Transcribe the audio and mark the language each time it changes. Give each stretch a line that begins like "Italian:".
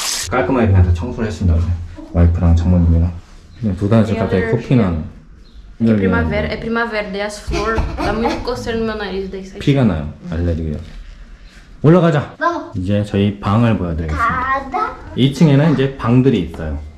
Korean: 깔끔하게 그냥 다 청소를 했습니다. 이제. 와이프랑 장모님이랑. 두 단지 갑자기 코피 나는.
Portuguese: É primavera, é primavera, dei as flores, tá muito coceiro no meu nariz.
Korean: 피가 나요, 알레르기. 올라가자. 이제 저희 방을 보여드리겠습니다. 2층에는 이제 방들이 있어요.